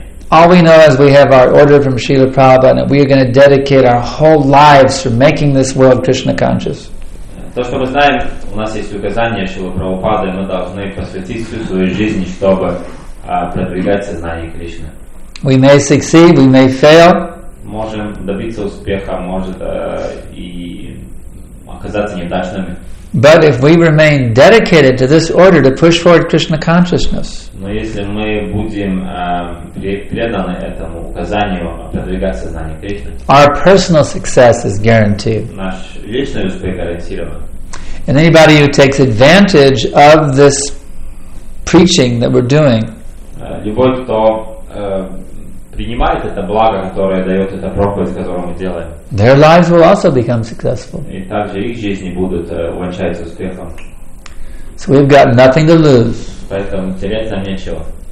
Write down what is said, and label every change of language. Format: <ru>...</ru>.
<en>All we know is we have our order from Srila Prabhupada and that we are going to dedicate our whole lives to making this world Krishna conscious.</en> <ru>То, что мы знаем, у нас есть указание Шрилы Прабхупады, мы должны посвятить всю свою жизнь, чтобы продвигать сознание Кришны.</ru> <en>We may succeed, we may fail.</en> <ru>Можем добиться успеха, может и оказаться неудачными.</ru> <en>But if we remain dedicated to this order to push forward Krishna consciousness.</en> <ru>Но если мы будем преданы этому указанию продвигать сознание Кришны.</ru> <en>Our personal success is guaranteed.</en> <ru>Наш личный успех гарантирован.</ru> <en>And anybody who takes advantage of this preaching that we're doing.</en> <ru>Любой, кто принимает это благо, которое дает эта проповедь, которую мы делаем.</ru> <en>Their lives will also become successful.</en> <ru>И также их жизни будут увенчаться успехом.</ru> <en>So we've got nothing to lose.</en> <ru>Поэтому терять нам нечего.</ru>